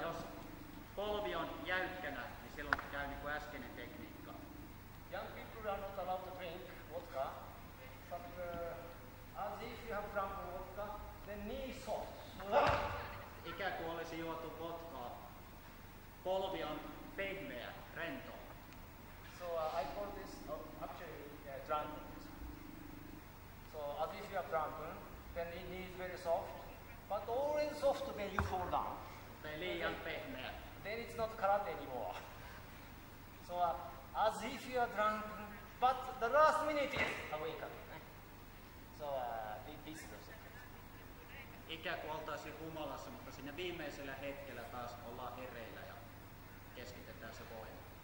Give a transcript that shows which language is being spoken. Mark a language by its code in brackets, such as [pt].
[fi] Jos polvi on jäykkänä, niin silloin käy niin kuin äskeinen tekniikka. [en] Young people are not allowed to drink vodka, but as if you have drunk vodka, the knee soft. [fi] Ikään kuin olisi juotu vodkaa. Polvi on pehmeä, rento. [en] So I call this actually drunk. So as if you have drunk, then the knee is very soft. But all in soft when you fall down. [fi] Liian pehmeä. [en] Then it's not karate anymore. So as if you are drunk, but the last minute is awakened. So this is the secret. [fi] Ikään kuin oltaisiin humalassa, mutta siinä viimeisellä hetkellä taas ollaan hereillä ja keskitetään se voima.